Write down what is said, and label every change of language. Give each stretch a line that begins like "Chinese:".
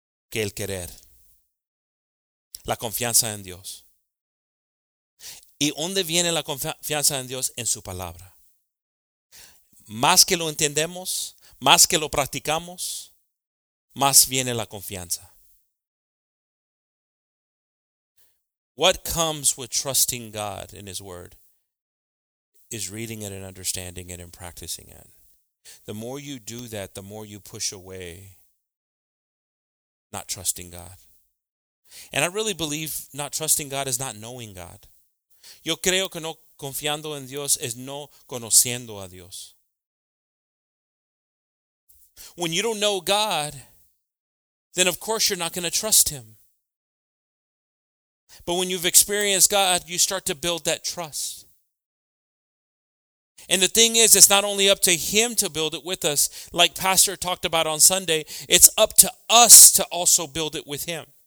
Spanish: Que el querer. La confianza en Dios. ¿Y dónde viene la confianza en Dios? En su palabra. Más que lo entendemos, más que lo practicamos, más viene la confianza.
English: What comes with trusting God in His Word is reading it and understanding it and practicing it. The more you do that, the more you push away not trusting God. And I really believe not trusting God is not knowing God.
Spanish: Yo creo que no confiando en Dios es no conociendo a Dios.
English: When you don't know God, then of course you're not going to trust Him. But when you've experienced God, you start to build that trust. And the thing is, it's not only up to Him to build it with us, like Pastor talked about on Sunday, it's up to us to also build it with Him.